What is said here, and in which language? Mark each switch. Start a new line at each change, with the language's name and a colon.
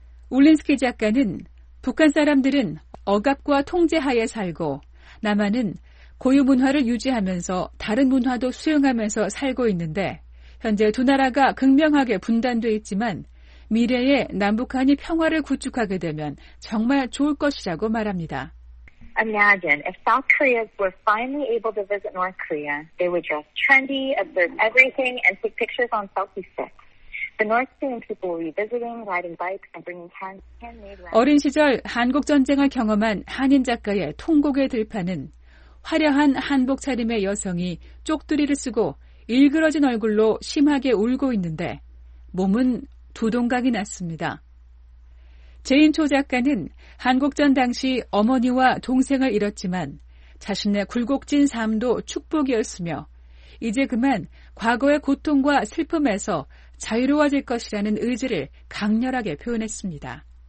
Korean: 울린스키 작가는 북한 사람들은 억압과 통제하에 살고 남한은 고유 문화를 유지하면서 다른 문화도 수용하면서 살고 있는데 현재 두 나라가 극명하게 분단돼 있지만 미래에 남북한이 평화를 구축하게 되면 정말 좋을 것이라고 말합니다.
English: Imagine if South Koreans were finally able to visit North Korea, they would dress trendy, observe everything, and take pictures on selfie sticks. The North Korean people will be visiting, riding bikes, and bringing handmade.
Korean: 어린 시절 한국 전쟁을 경험한 한인 작가의 통곡의 들판은 화려한 한복 차림의 여성이 쪽두리를 쓰고 일그러진 얼굴로 심하게 울고 있는데 몸은 두동강이 났습니다. 제인 초 작가는 한국전 당시 어머니와 동생을 잃었지만 자신의 굴곡진 삶도 축복이었으며 이제 그만 과거의 고통과 슬픔에서 자유로워질 것이라는 의지를 강렬하게 표현했습니다.